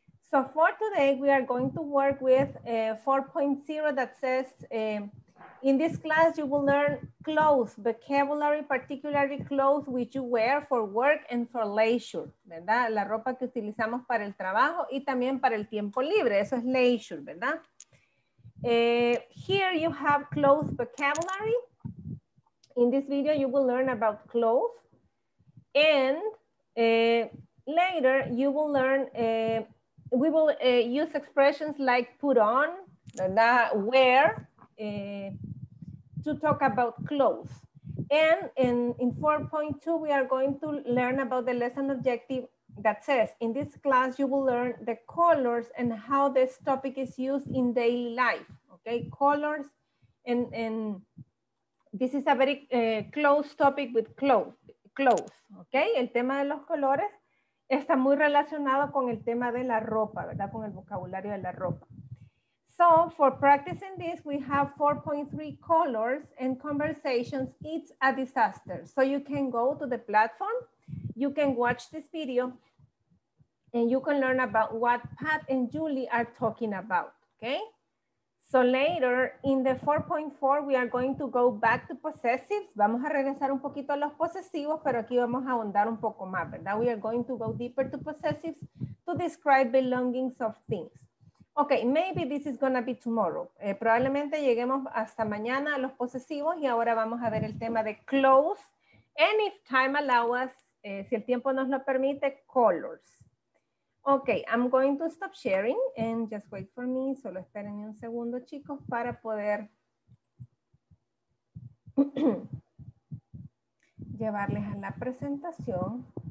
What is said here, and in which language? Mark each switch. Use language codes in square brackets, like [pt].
[en] So, for today, we are going to work with 4.0 that says... In this class, you will learn clothes, vocabulary, particularly clothes which you wear for work and for leisure, ¿verdad? [es] La ropa que utilizamos para el trabajo y también para el tiempo libre, eso es leisure, ¿verdad? [en] Here you have clothes vocabulary. In this video, you will learn about clothes. And later, you will learn, we will use expressions like put on, ¿verdad? Wear. To talk about clothes. And in 4.2, we are going to learn about the lesson objective that says, in this class, you will learn the colors and how this topic is used in daily life. Okay, colors, and this is a very close topic with clothes. [es] Okay, el tema de los colores está muy relacionado con el tema de la ropa, ¿verdad? Con el vocabulario de la ropa. [en] So for practicing this, we have 4.3 colors and conversations. It's a disaster. So you can go to the platform, you can watch this video, and you can learn about what Pat and Julie are talking about, okay? So later in the 4.4, we are going to go back to possessives. [es] Vamos a regresar un poquito a los posesivos, pero aquí vamos a ahondar un poco más, ¿verdad? [en] We are going to go deeper to possessives to describe belongings of things. Okay, maybe this is gonna be tomorrow. [es] Probablemente lleguemos hasta mañana a los posesivos y ahora vamos a ver el tema de clothes. [en] And if time allows us, [es] si el tiempo nos lo permite, colors. [en] Okay, I'm going to stop sharing and just wait for me. [es] Solo esperen un segundo, chicos, para poder llevarles a la presentación.